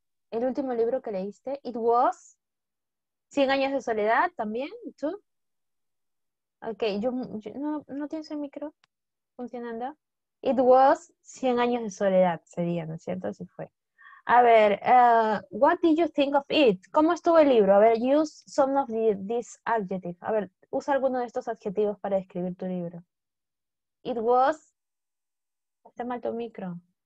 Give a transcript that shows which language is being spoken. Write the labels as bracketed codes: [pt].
[es] El último libro que leíste, [en] it was [es] 100 años de soledad también, tú. Okay, ¿no tienes el micro funcionando? [en] It was [es] 100 años de soledad, sería, ¿no es cierto? Así fue. A ver, [en] what did you think of it? [es] ¿Cómo estuvo el libro? A ver, [en] use some of these adjectives. [es] A ver, usa alguno de estos adjetivos para describir tu libro. [en] It was... [es] Está mal tu micro.